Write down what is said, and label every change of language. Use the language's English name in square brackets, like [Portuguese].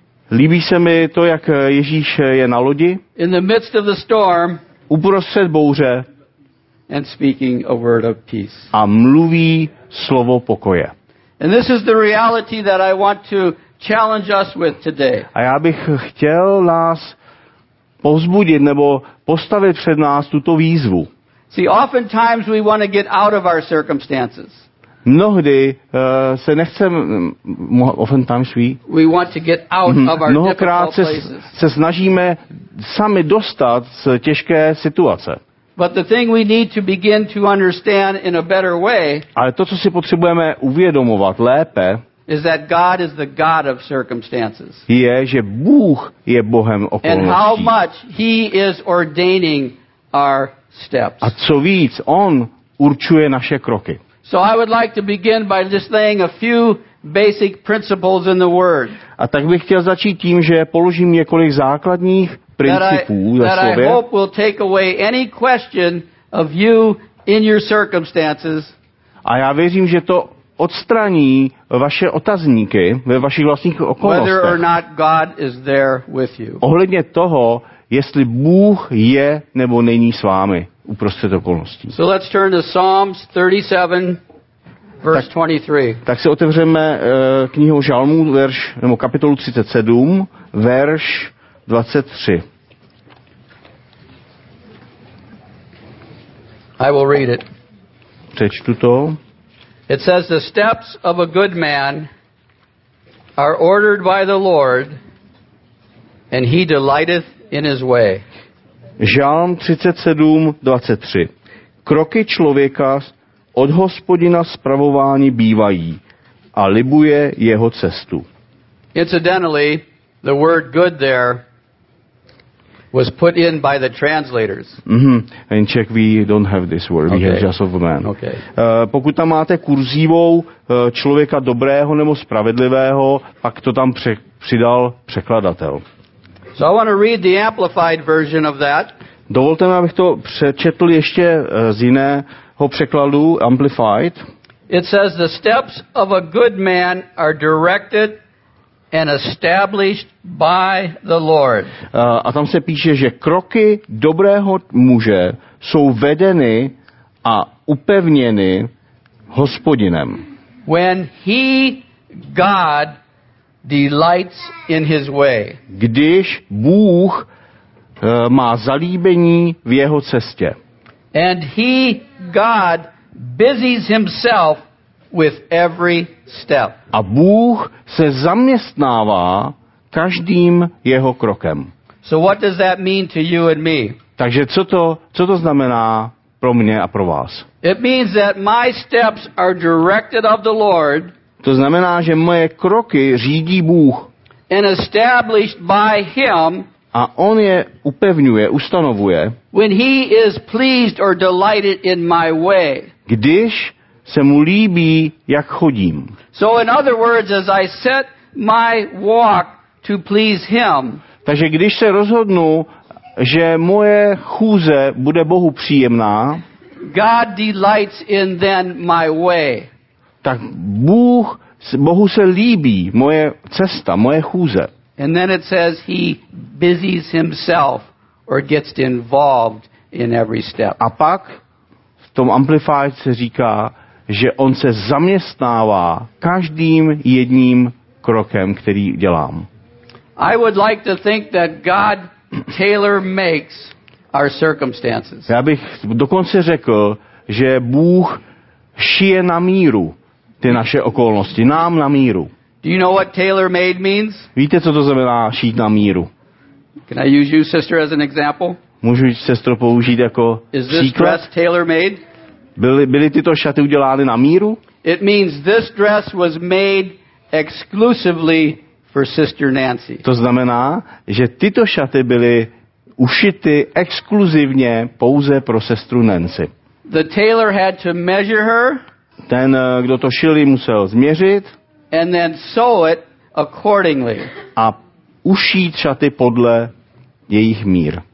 [Czech] Líbí se mi to, jak Ježíš je na lodi. [English] In the midst of the storm, [Czech] uprostřed bouře, [English] and speaking a word of peace. [Czech] A mluví slovo pokoje. [English] And this is the reality that I want to challenge us with today. [Czech] A já bych chtěl nás povzbudit nebo postavit před nás tuto výzvu. [English] See, oftentimes we want to get out of our circumstances. [Czech] Mnohdy se nechcem, [English] oftentimes we want to get out of our [Czech] mnohokrát [English] difficult [Czech] se, [English] places. [Czech] Se snažíme sami dostat z těžké situace. [English] But the thing we need to begin to understand in a better way, [Czech] ale to, co si potřebujeme uvědomovat lépe, [English] is that God is the God of circumstances. [Czech] Je, že Bůh je Bohem okolností. [English] And how much he is ordaining our steps. [Czech] A co víc, on určuje naše kroky. [English] So I would like to begin by just laying a few basic principles in the word. [Czech] A tak bych chtěl začít tím, že položím několik základních [English] that I hope will take away any question of you in your circumstances. [Czech] A já věřím, že to odstraní vaše otazníky ve vašich vlastních okolnostech. [English] Whether or not God is there with you. [Czech] Ohledně toho, jestli Bůh je nebo není s vámi uprostřed okolností. [English] So let's turn to Psalms 37, verse 23. [Czech] Tak si otevřeme knihu Žalmů, verš nebo kapitolu 37, verš 23. [English] I will read it. [Czech] Přečtu to. [English] It says the steps of a good man are ordered by the Lord and he delighteth in his way. [Czech] Žalm 37:23. Kroky člověka od Hospodina spravovány bývají a libuje jeho cestu. Incidentally, the word good there was put in by the translators. Mm-hmm. [English] In Czech we don't have this word. Okay. We have just of a man. Okay. [Czech] Pokud tam máte kurzívou člověka dobrého nebo spravedlivého, pak to tam přidal překladatel. [English] So I want to read the amplified version of that. [Czech] Dovolte mi, abych to přečetl ještě z jiného překladu, amplified. [English] It says the steps of a good man are directed and established by the Lord. [Czech] A tam se píše, že kroky dobrého muže jsou vedeny a upevněny Hospodinem. [English] When he, God, delights in his way. [Czech] Když Bůh má zalíbení v jeho cestě. [English] And he, God, busies himself with every step. [Czech] A Bůh se zaměstnává každým jeho krokem. [English] So what does that mean to you and me? [Czech] Takže co to znamená pro mě a pro vás? [English] It means that my steps are directed of the Lord. [Czech] To znamená, že moje kroky řídí Bůh. [English] And established by him. [Czech] A on je upevňuje, ustanovuje. [English] When he is pleased or delighted in my way. [Czech] Když se mu líbí, jak chodím. [English] So in other words, as I set my walk to please him. [Czech] Takže když se rozhodnu, že moje chůze bude Bohu příjemná, [English] God delights in then my way. [Czech] Tak Bohu se líbí moje cesta, moje chůze. [English] And then it says he busies himself or gets involved in every step. [Czech] A pak v tom amplified se říká, že on se zaměstnává každým jedním krokem, který dělám. [English] I would like to think that God tailor makes our circumstances. [Czech] Já bych dokonce řekl, že Bůh šije na míru ty naše okolnosti, nám na míru. [English] Do you know what tailor made means? [Czech] Víte, co to znamená šít na míru? [English] Can I use you, sister, as an example? [Czech] Můžu sestro použít jako [English] Is this dress tailor made? [Czech] Byly tyto šaty udělány na míru? [English] It means this dress was made exclusively for Sister Nancy. [Czech] To znamená, že tyto šaty byly ušity exkluzivně pouze pro sestru Nancy. [English] The tailor had to measure her. [Czech] Ten, kdo to šil, musel změřit. [English] And then sew it accordingly. [Czech] A ušít šaty podle jejich mír.